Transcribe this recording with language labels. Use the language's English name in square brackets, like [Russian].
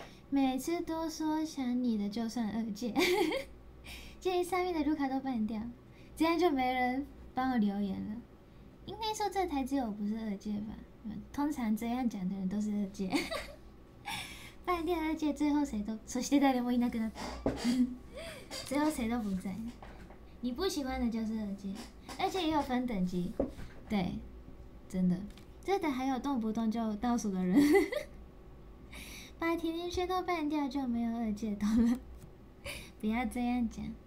[Chinese] 每次都說想你的就算二界。建議上面的ルカ都ban掉，这样就没人帮我留言了。应该说这台只有我不是二界吧？通常这样讲的人都是二界。 ban掉二界，最后谁都 [Japanese] そして誰もいなくなった。 [Chinese] 最后谁都不在。你不喜欢的就是二阶，二阶也有分等级，对，真的，这等还有动不动就倒数的人，把甜甜圈都办掉就没有二阶懂了，不要这样讲。